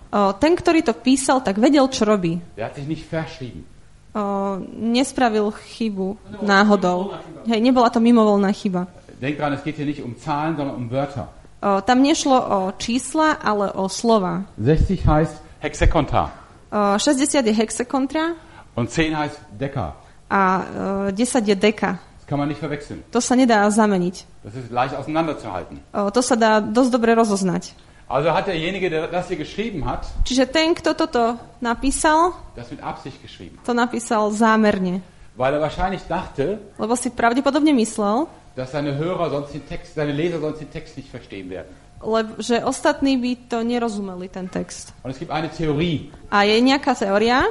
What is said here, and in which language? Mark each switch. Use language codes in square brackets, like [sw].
[sk] Ten, ktorý to písal, tak vedel, čo robí. [de] Der hat sich nicht verschrieben. [sk] Nespravil chybu náhodou. Hej, nebola to mimovoľná chyba. [de] Denk dran, es geht hier nicht um Zahlen, sondern um Wörter. [sk] Tam nešlo o čísla, ale o slova. [de] 60 heißt Hexekontra. [sk] 60 je Hexekontra. [de] Und 10 heißt Deka. [sk] A 10 je Deka. [de] Das kann man nicht verwechseln. [sk] To sa nedá zameniť. [de] Das ist leicht auseinanderzuhalten. [sk] To sa dá dosť dobre rozoznať. [de] Also hat derjenige, der das hier geschrieben hat, [sk] čiže ten, kto toto napísal, [de] das mit Absicht geschrieben. [sk] To napísal zámerne. [de] Weil er wahrscheinlich dachte, [sk] lebo si pravdepodobne myslel, [de] dass seine Hörer sonst den Text, seine Leser sonst den Text nicht verstehen werden. [sk] Že ostatní by to nerozumeli, ten text. [de] Und es gibt eine Theorie. [sk] A je nejaká teória?